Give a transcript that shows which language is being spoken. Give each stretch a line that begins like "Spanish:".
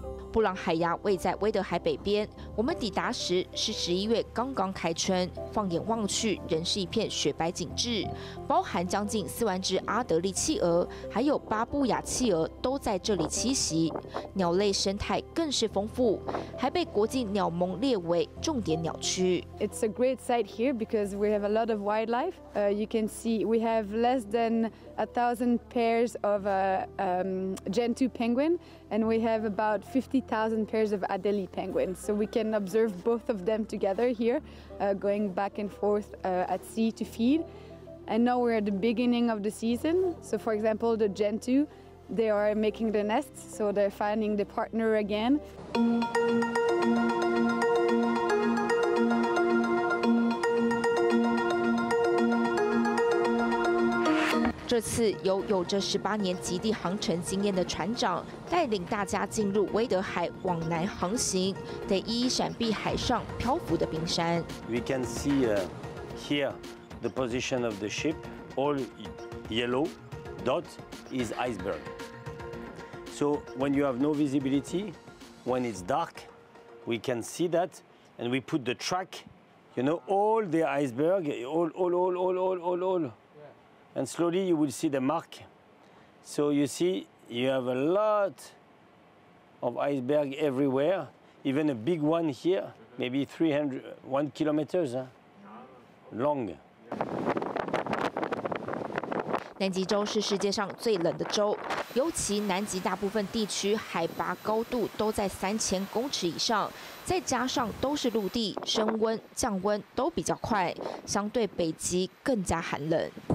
Chinese: 布朗海峡位在威德海北边，我们抵达时是11月刚刚开春，放眼望去仍是一片雪白景致，包含将近40000只阿德利企鹅，还有巴布亚企鹅都在这里栖息，鸟类生态更是丰富，还被国际鸟盟列为重点鸟区。
English: It's a great sight here because we have a lot of wildlife. You can see we have less than 1,000 pairs of Gentoo penguin. And we have about 50,000 pairs of Adelie penguins. So we can observe both of them together here, going back and forth at sea to feed. And now we're at the beginning of the season. So for example, the Gentoo, they are making the nests. So they're finding the partner again.
Chinese: 这次由有着18年极地航程经验的船长带领大家进入威德海往南航行，得一一闪避海上漂浮的冰山。
English: We can see here the position of the ship. All yellow dot is iceberg. So when you have no visibility, when it's dark, we can see that, and we put the track. You know all the iceberg, all. And slowly you will see the mark. So you see, you have a lot of iceberg everywhere, even a big one here, maybe 300 kilometers long.
Chinese: 南极洲是世界上最冷的洲，尤其南极大部分地区海拔高度都在3000公尺以上，再加上都是陆地，升温降温都比较快，相对北极更加寒冷。